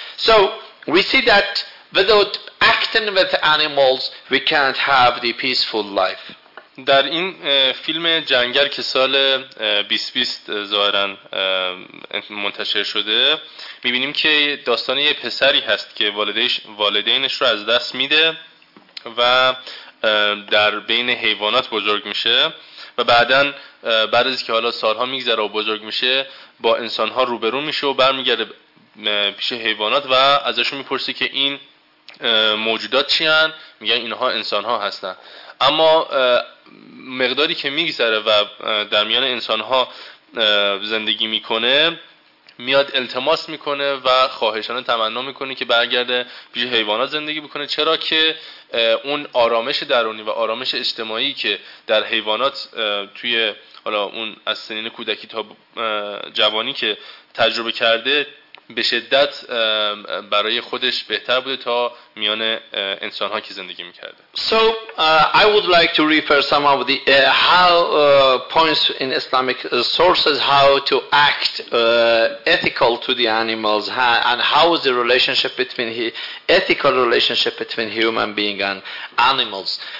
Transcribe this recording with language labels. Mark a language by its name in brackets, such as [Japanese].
[English] So we see that without acting with animals, we can't have the peaceful life. [Persian] در این فیلم جنگل که سال 2020 ظاهرا منتشر شده میبینیم که داستان یه پسری هست که والدینش رو از دست میده و در بین حیوانات بزرگ میشه و بعدن بعد از که حالا سالها میگذره و بزرگ میشه با انسانها روبرو میشه و برمیگرده پیش حیوانات و ازشون میپرسه که این موجودات چی هن؟ میگن اینها انسانها هستن. اما مقداری که میگذره و در میان انسانها زندگی میکنه میاد التماس میکنه و خواهشانه تمنا میکنه که برگرده پیش حیوانات زندگی بکنه، چرا که اون آرامش درونی و آرامش اجتماعی که در حیوانات توی حالا اون از سنین کودکی تا جوانی که تجربه کرده به شدت برای خودش بهتر بوده تا میان انسان‌ها که زندگی می‌کرده. [English] So I would like to refer some of the how points in Islamic sources how to act ethical to the animals and how is the relationship between ethical relationship between human being and animals.